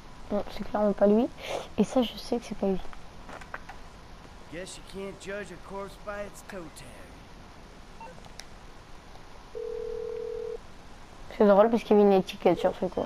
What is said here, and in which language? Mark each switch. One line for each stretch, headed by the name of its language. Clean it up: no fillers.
French: Non, c'est clairement pas lui. Et ça, je sais que c'est pas lui.
English: Guess you can't judge a corpse by its toe tag.
French: C'est drôle parce qu'il y avait une étiquette sur ce corps.